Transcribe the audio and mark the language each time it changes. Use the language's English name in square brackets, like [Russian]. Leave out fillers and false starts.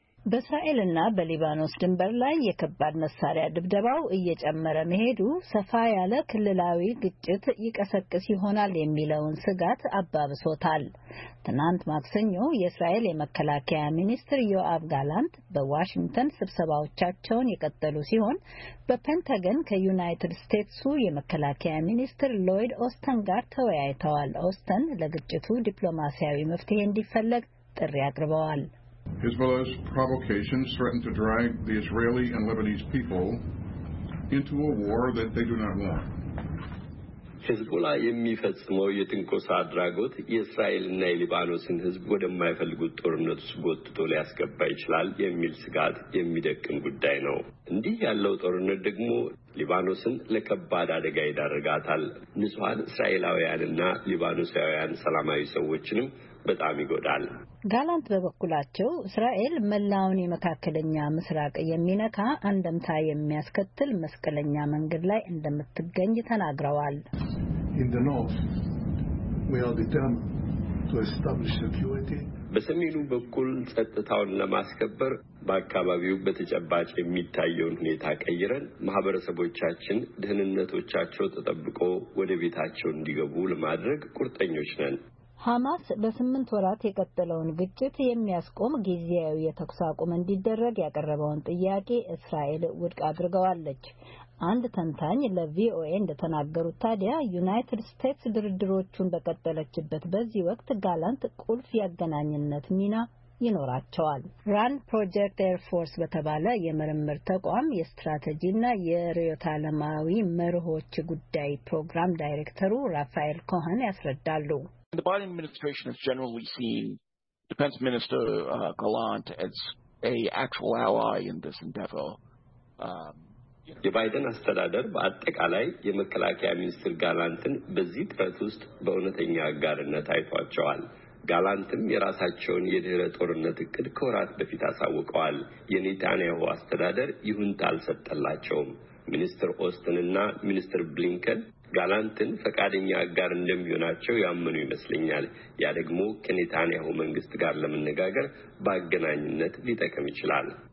[Amharic] በእስራኤልና በሊባኖስ ድንበር ላይ የከባድ መሳሪያ ድብደባው እየጨመረ መሄዱ ሰፋ ያለ ክልላዊ ግጭት ይቀሰቅስ ይሆናል የሚለውን ስጋት አባብሶታል። ትናንት ማክሰኞ የእስራኤል የመከላከያ ሚኒስትር ዮአፍ ጋላንት በዋሽንግተን ስብሰባዎቻቸውን የቀጠሉ ሲሆን በፔንታገን ከዩናይትድ ስቴትሱ የመከላከያ ሚኒስትር ሎይድ ኦስተን ጋር ተወያይተዋል። ኦስተን ለግጭቱ ዲፕሎማሲያዊ መፍትሄ እንዲፈለግ ጥሪ አቅርበዋል። [English] Hezbollah's provocations threaten to drag the Israeli and Lebanese people into a war that they do not want. [Amharic] Hezbollah የሚፈጽመው የትንኮሳ አድራጎት የእስራኤልና የሊባኖስን ህዝብ ወደማይፈልጉት ጦርነት ስጎትቶ ሊያስገባ ይችላል የሚል ስጋት የሚደቅም ጉዳይ ነው። እንዲህ ያለው ጦርነት ደግሞ ሊባኖስን ለከባድ አደጋ ይዳርጋታል። ንጹሃን እስራኤላውያንና ሊባኖሳውያን ሰላማዊ ሰዎችንም በጣም ይጎዳል። ጋላንት በበኩላቸው እስራኤል መላውን የመካከለኛ ምስራቅ የሚነካ አንደምታ የሚያስከትል መስቀለኛ መንገድ ላይ እንደምትገኝ ተናግረዋል። [English] In the north, we are determined to establish security. [Amharic] በሰሜኑ በኩል ጸጥታውን ለማስከበር በአካባቢው በተጨባጭ የሚታየውን ሁኔታ ቀይረን ማህበረሰቦቻችን ደህንነታቸው ተጠብቆ ወደ ቤታቸው እንዲገቡ ለማድረግ ቁርጠኞች ነን። ሐማስ በስምንት ወራት የቀጠለውን ግጭት የሚያስቆም ጊዜያዊ የተኩስ አቁም እንዲደረግ ያቀረበውን ጥያቄ እስራኤል ውድቅ አድርጋለች። አንድ ተንታኝ ለቪኦኤ እንደተናገሩት ታዲያ ዩናይትድ ስቴትስ ድርድሮቹን በቀጠለችበት በዚህ ወቅት ጋላንት ቁልፍ ያገናኝነት ሚና ይኖራቸዋል። ራን ፕሮጀክት ኤር ፎርስ በተባለ የመርምር ተቋም የስትራቴጂና የርዕዮተ ዓለማዊ መርሆች ጉዳይ ፕሮግራም ዳይሬክተሩ ራፋኤል ኮሃን ያስረዳሉ። [English] And the Biden administration has generally seen Defense Minister Gallant as an actual ally in this endeavor. [Amharic] የባይደን አስተዳደር በአጠቃላይ የመከላከያ ሚኒስትር ጋላንትን በዚህ ጥረት ውስጥ በእውነተኛ አጋርነት አይቷቸዋል። ጋላንትም የራሳቸውን የድህረ ጦርነት እቅድ ከወራት በፊት አሳውቀዋል። የኔታንያሁ አስተዳደር ይሁንታ አልሰጠላቸውም። ሚኒስትር ኦስትንና ሚኒስትር ብሊንከን ጋላንትን ፈቃደኛ አጋር እንደሚሆናቸው ያመኑ ይመስለኛል። ያ ደግሞ ከኔታንያሁ መንግስት ጋር ለመነጋገር ባገናኝነት ሊጠቅም ይችላል።